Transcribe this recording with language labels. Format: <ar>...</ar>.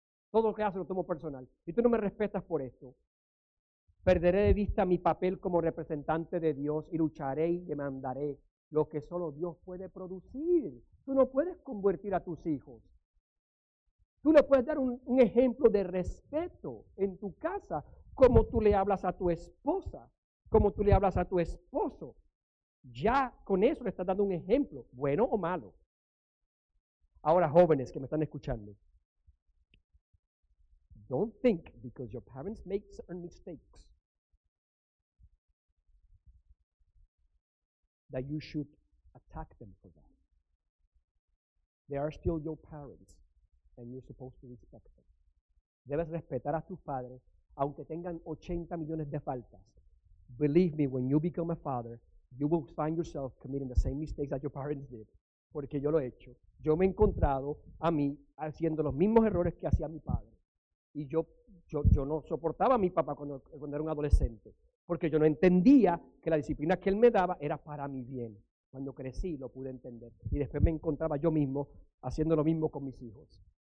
<es>Todo lo que hacen lo tomo personal. Si tú no me respetas por esto, perderé de vista mi papel como representante de Dios y lucharé y demandaré lo que solo Dios puede producir. Tú no puedes convertir a tus hijos. Tú le puedes dar un ejemplo de respeto en tu casa, como tú le hablas a tu esposa, como tú le hablas a tu esposo. Ya con eso le estás dando un ejemplo, bueno o malo. Ahora, jóvenes que me están escuchando,</es> <en>don't think because your parents make certain mistakes that you should attack them for that. They are still your parents and you're supposed to respect them.</en> <es>Debes respetar a tus padres aunque tengan 80 millones de faltas.</es> <en>Believe me, when you become a father, you will find yourself committing the same mistakes that your parents did.</en> <es>Porque yo lo he hecho. Yo me he encontrado a mí haciendo los mismos errores que hacía mi padre. Y yo no soportaba a mi papá cuando era un adolescente. Porque yo no entendía que la disciplina que él me daba era para mi bien. Cuando crecí lo pude entender. Y después me encontraba yo mismo haciendo lo mismo con mis hijos.</es>